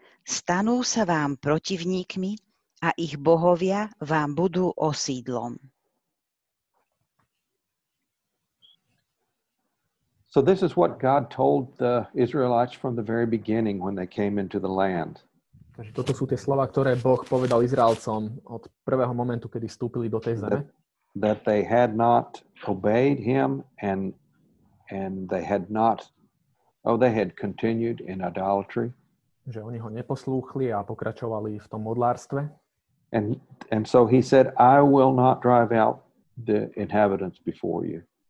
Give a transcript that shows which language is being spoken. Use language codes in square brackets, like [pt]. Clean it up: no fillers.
[sk] Stanú sa vám protivníkmi a ich bohovia vám budú osídlom. [en] So this is what God told the Israelites from the very beginning when they came into the land. [sk] Takže toto sú tie slova, ktoré Boh povedal Izraelcom od prvého momentu, kedy vstúpili do tej zeme. [en] That they had not obeyed him and they had not they had continued in idolatry. [sk] Že oni ho neposlúchli a pokračovali v tom modlárstve. [en] And so he said, I will not drive out the inhabitants before you.